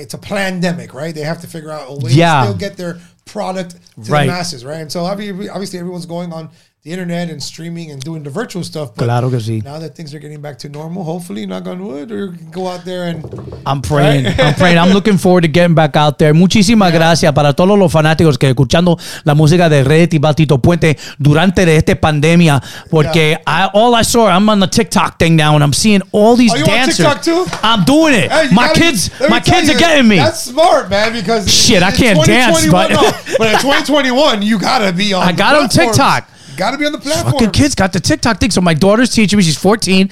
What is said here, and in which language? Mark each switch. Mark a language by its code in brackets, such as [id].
[en] It's a plandemic, right? They have to figure out a way to still get their product to the masses, right? And so obviously everyone's going on the internet and streaming and doing the virtual stuff. But [es] claro que sí. [en] Now that things are getting back to normal, hopefully, knock on wood, or go out there and... I'm praying. I'm looking forward to getting back out there. [es] Muchísimas gracias para todos los fanáticos que escuchando la música de Red y Tito Puente durante esta pandemia. Porque [en] I'm on the TikTok thing now and I'm seeing all these dancers. On TikTok too? I'm doing it. Hey, my kids are getting me. That's smart, man, because... Shit, I can't dance. But in 2021, you got to be on TikTok. Got to be on the platform. Fucking kids got the TikTok thing. So my daughter's teaching me. She's 14. Yep.